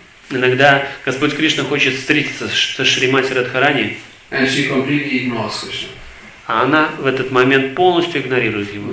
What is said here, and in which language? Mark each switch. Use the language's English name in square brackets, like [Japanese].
[Russian] Иногда Господь Кришна хочет встретиться со Шримати Радхарани, [English] and she completely ignores Krishna. [Russian] А она в этот момент полностью игнорирует его.